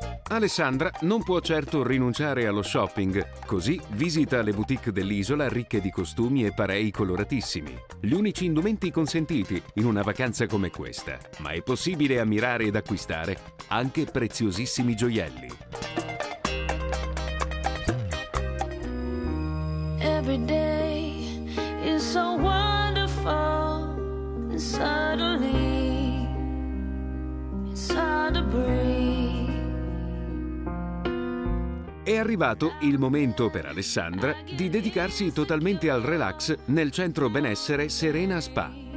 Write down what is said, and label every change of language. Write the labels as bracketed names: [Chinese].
[Italian] Alessandra non può certo rinunciare allo shopping, così visita le boutique dell'isola ricche di costumi e parei coloratissimi, gli unici indumenti consentiti in una vacanza come questa. Ma è possibile ammirare ed acquistare anche preziosissimi gioielli. [English] Every day is so wonderful, and suddenly it's hard to breathe. [Italian] È arrivato il momento per Alessandra di dedicarsi totalmente al relax nel centro benessere Serena Spa.